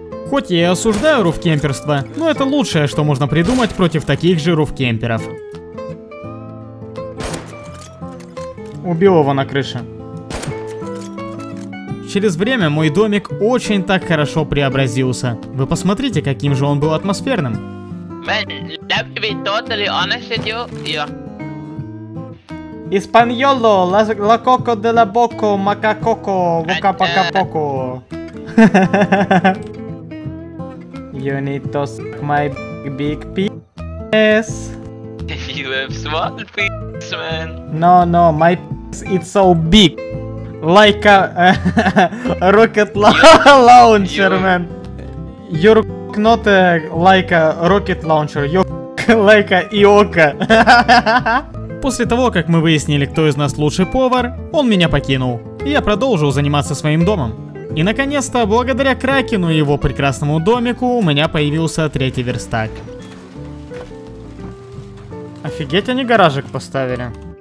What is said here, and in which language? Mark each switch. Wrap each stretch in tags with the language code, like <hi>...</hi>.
<ru>Хоть я и осуждаю руфкемперство, но это лучшее, что можно придумать против таких же руфкемперов. Убил его на крыше. Через время мой домик очень так хорошо преобразился. Вы посмотрите, каким же он был атмосферным.</ru> <en>Man, let me be totally honest with you. Испаньоло, la coco de la boco, macacoco, boca paca poco. You need to suck my big penis. You have small penis, man. No, my penis is so big. Like a rocket launcher, man. You're not like a rocket launcher, you're like a Ioka.</en> <ru>После того, как мы выяснили, кто из нас лучший повар, он меня покинул. И я продолжил заниматься своим домом. И наконец-то, благодаря Кракену и его прекрасному домику, у меня появился третий верстак. Офигеть, они гаражик поставили.</ru>